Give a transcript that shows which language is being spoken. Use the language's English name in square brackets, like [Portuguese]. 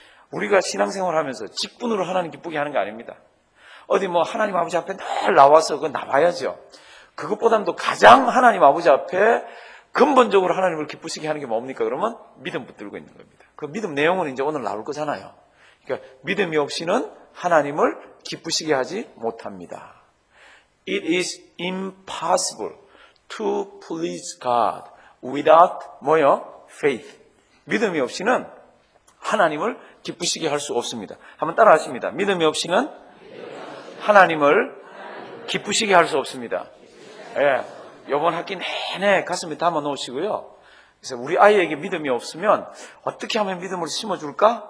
[Korean] 우리가 신앙생활을 하면서 직분으로 하나님 기쁘게 하는 게 아닙니다. 어디 뭐 하나님 아버지 앞에 늘 나와서 그거 나와야죠. 그것보다도 가장 하나님 아버지 앞에 근본적으로 하나님을 기쁘시게 하는 게 뭡니까? 그러면 믿음 붙들고 있는 겁니다. 그 믿음 내용은 이제 오늘 나올 거잖아요. 그러니까 믿음이 없이는 하나님을 기쁘시게 하지 못합니다. [English] It is impossible to please God without [Korean] 뭐요? [English] Faith. [Korean] 믿음이 없이는 하나님을 기쁘시게 할 수 없습니다. 한번 따라 하십니다. 믿음이 없이는 하나님을 기쁘시게 할 수 없습니다. 예. 요번 학기 내내 가슴에 담아 놓으시고요. 그래서 우리 아이에게 믿음이 없으면 어떻게 하면 믿음을 심어줄까?